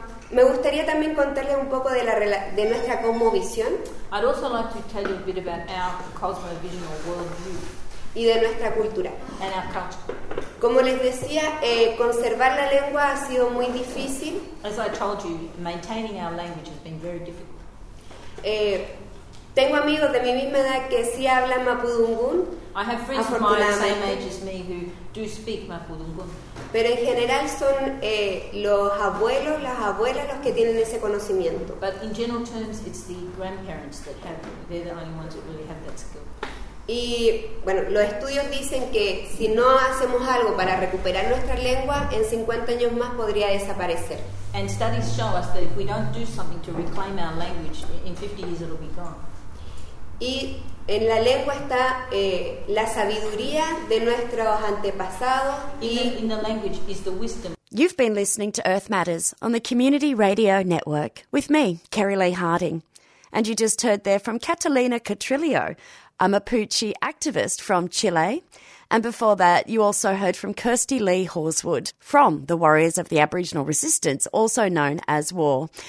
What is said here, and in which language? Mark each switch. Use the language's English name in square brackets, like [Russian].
[Spanish] Me gustaría también contarles un poco de nuestra cosmovisión. [English] I'd also like to tell you a bit about our cosmovision or worldview. [Spanish] Y de nuestra cultura. [English] And our culture. [Spanish] Como les decía, conservar la lengua ha sido muy difícil. [English] As I told you, maintaining our language has been very difficult. [Spanish] Tengo amigos de mi misma edad que sí hablan mapudungun. [English] I have friends of my same age as me who do speak mapudungun. [Spanish] Pero en general son los abuelos, las abuelas los que tienen ese conocimiento. [English] But in general terms, it's the grandparents that have. They're the only ones that really have that skill. [Spanish] Y bueno, los estudios dicen que si no hacemos algo para recuperar nuestra lengua, en 50 años más podría desaparecer. [English] And studies show us that if we don't do something to reclaim our language, in 50 years it'll be gone. [Spanish] Y en la lengua está la sabiduría de nuestros antepasados. [English] In the language is the wisdom. You've been listening to Earth Matters on the Community Radio Network with me, Kerry Lee Harding. And you just heard there from Catalina Catrillo, a Mapuche activist from Chile. And before that, you also heard from Kirsty Lee Horswood from the Warriors of the Aboriginal Resistance, also known as WAR.